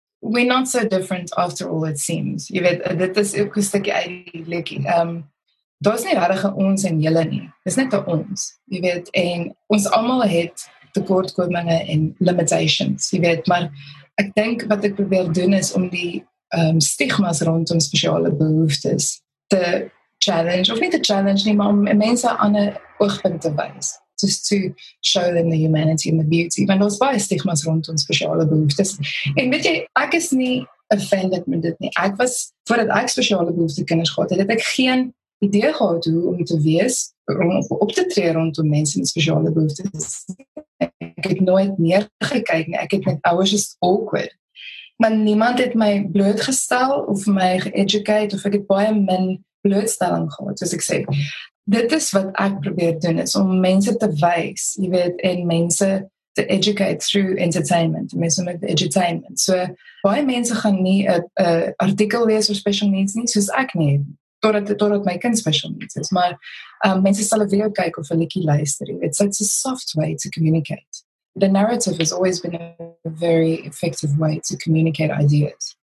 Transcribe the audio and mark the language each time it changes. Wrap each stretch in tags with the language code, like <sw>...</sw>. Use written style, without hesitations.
<en>We're not so different after all it seems.</en> <af>Jy weet, dit is ook 'n stukkie uit die lekkie. Daar is nie regtig 'n ons en julle nie. Dis net 'n ons. Jy weet, en ons almal het tekortkominge en limitations. Jy weet, maar ek dink wat ek probeer doen is om die stigmas rondom spesiale behoeftes te challenge, of nie te challenge nie, maar om mense aan 'n oogpunt te wys.</af> <en>Just to show them the humanity and the beauty.</en> <af>Want ons baie stigmas rondom spesiale behoeftes. En weet jy, ek is nie offended met dit nie. Ek was, voordat ek spesiale behoefte kinders gehad het, het ek geen idee gehad hoe om te wees, of op te tree rondom mense met spesiale behoeftes. Ek het nooit neergekyk nie. Ek het net,</af> <en>I was just awkward.</en> <af>Maar niemand het my blootgestel of my geeducate, of ek het baie min blootstelling gehad, soos ek sê. Dit is wat ek probeer doen, is om mense te wys, jy weet, en mense te educate</af> <en>through entertainment,</en> <af>mense met edutainment. So, baie mense gaan nie een artikel lees oor special needs nie, soos ek nie, totdat my kind special needs is. Maar mense sal een video kyk of een liedjie luister, jy weet. So,</af> <en>it's a soft way to communicate. The narrative has always been a very effective way to communicate ideas.</en>